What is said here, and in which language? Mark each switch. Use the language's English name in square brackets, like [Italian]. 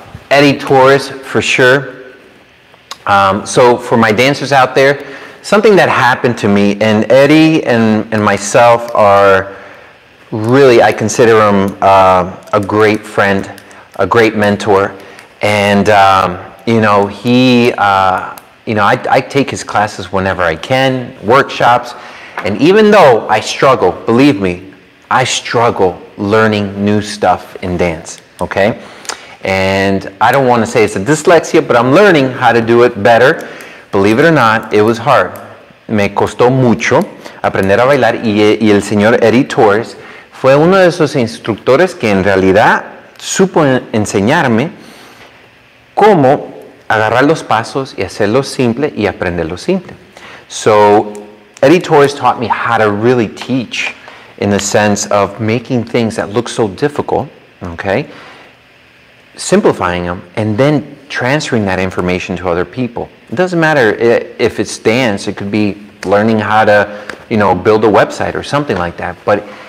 [English] Eddie Torres, for sure. So for my dancers out there, something that happened to me, and Eddie and myself are really, I consider him a great friend, a great mentor, and I take his classes whenever I can, workshops, and even though I struggle, believe me, I struggle learning new stuff in dance, okay? And I don't want to say it's a dyslexia, but I'm learning how to do it better. Believe it or not, it was hard. [Spanish] Me costó mucho aprender a bailar, y el señor Eddie Torres fue uno de esos instructores que en realidad supo enseñarme cómo agarrar los pasos y hacerlo simple y aprenderlo simple. [English] So, Eddie Torres taught me how to really teach in the sense of making things that look so difficult, okay, simplifying them, and then transferring that information to other people. It doesn't matter if it's dance, it could be learning how to, you know, build a website or something like that, but